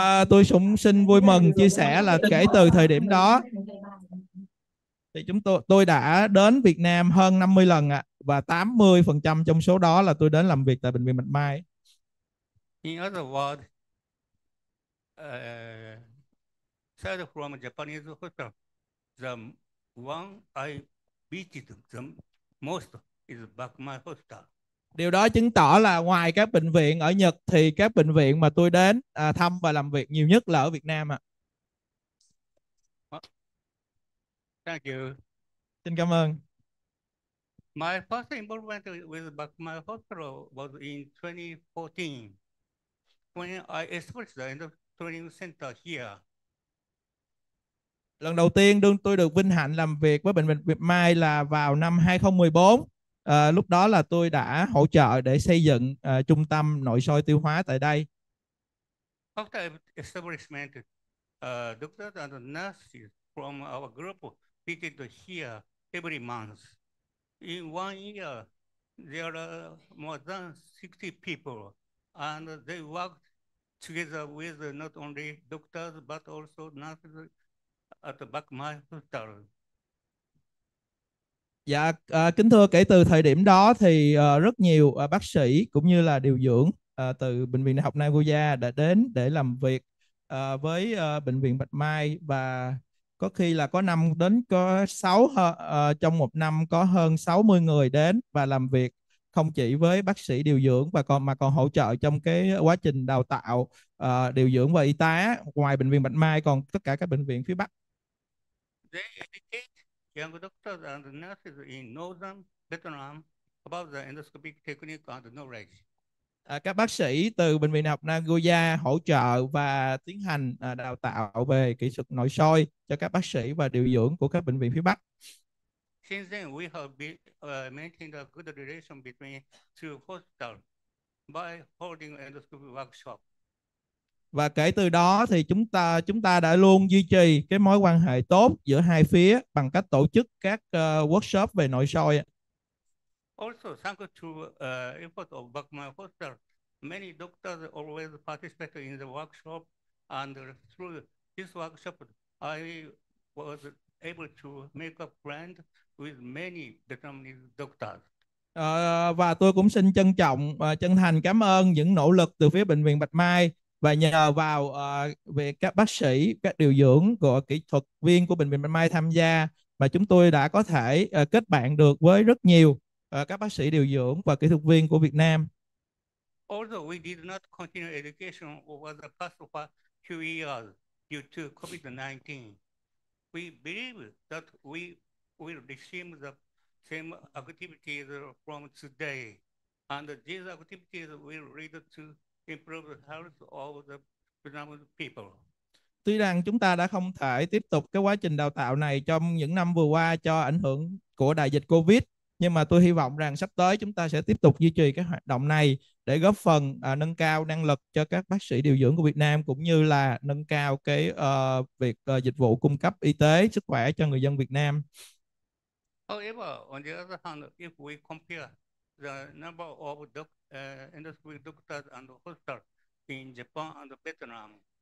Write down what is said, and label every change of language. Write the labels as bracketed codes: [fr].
[vi] Tôi cũng xin vui mừng chia sẻ là kể từ thời điểm đó thì tôi đã đến Việt Nam hơn 50 lần ạ, và 80% trong số đó là tôi đến làm việc tại Bệnh viện Bạch Mai. [en] In other words, aside from Japanese hospital, the one I visited the most is Bạch Mai hospital. [vi] Điều đó chứng tỏ là ngoài các bệnh viện ở Nhật thì các bệnh viện mà tôi đến thăm và làm việc nhiều nhất là ở Việt Nam ạ. [en] Thank you. [vi] Xin cảm ơn. [en] My first involvement with Bạch Mai hospital was in 2014. when I expressed in the training center here. [vi] Lần đầu tiên tôi được vinh hạnh làm việc với Bệnh viện Bạch Mai là vào năm 2014. Lúc đó là tôi đã hỗ trợ để xây dựng trung tâm nội soi tiêu hóa tại đây. [en] After establishment, doctors and nurses from our group visited here every month. In 1 year, there are more than 60 people, and they worked together with not only doctors but also nurses at Bạch Mai Hospital. [vi] Dạ, kính thưa, kể từ thời điểm đó thì rất nhiều bác sĩ cũng như là điều dưỡng từ Bệnh viện Đại học Nagoya đã đến để làm việc với Bệnh viện Bạch Mai, và có khi là có năm đến có 6, trong một năm có hơn 60 người đến và làm việc không chỉ với bác sĩ điều dưỡng mà còn hỗ trợ trong cái quá trình đào tạo điều dưỡng và y tá ngoài Bệnh viện Bạch Mai còn tất cả các bệnh viện phía Bắc. [en] Young doctors and nurses in northern Vietnam about the endoscopic technique and knowledge. [vi] Các bác sĩ từ Bệnh viện Đại học Nagoya hỗ trợ và tiến hành đào tạo về kỹ thuật nội soi cho các bác sĩ và điều dưỡng của các bệnh viện phía Bắc. [en] Since then, we have maintained a good relation between two hospitals by holding endoscopic workshop. [vi] Và kể từ đó thì chúng ta đã luôn duy trì cái mối quan hệ tốt giữa hai phía bằng cách tổ chức các workshop về nội soi. [en] Also, thanks to effort of Bạch Mai Hospital, many doctors always participate in the workshop, and through this workshop, I was able to make a friend with many Vietnamese doctors. [vi] Và tôi cũng xin trân trọng, chân thành cảm ơn những nỗ lực từ phía Bệnh viện Bạch Mai. Và nhờ vào việc các bác sĩ, các điều dưỡng của kỹ thuật viên của Bệnh viện Bạch Mai tham gia, mà chúng tôi đã có thể kết bạn được với rất nhiều các bác sĩ điều dưỡng và kỹ thuật viên của Việt Nam. [en] Although we did not continue education over the past few years due to COVID-19, we believe that we will resume the same activities from today, and these activities will lead to improve the health of the Vietnamese people. [vi] Tuy rằng chúng ta đã không thể tiếp tục cái quá trình đào tạo này trong những năm vừa qua cho ảnh hưởng của đại dịch COVID, nhưng mà tôi hy vọng rằng sắp tới chúng ta sẽ tiếp tục duy trì cái hoạt động này để góp phần nâng cao năng lực cho các bác sĩ điều dưỡng của Việt Nam cũng như là nâng cao cái việc dịch vụ cung cấp y tế sức khỏe cho người dân Việt Nam. [en] However, on the other hand, if we compare the number of endoscopy doctors and hospitals in Japan and Vietnam.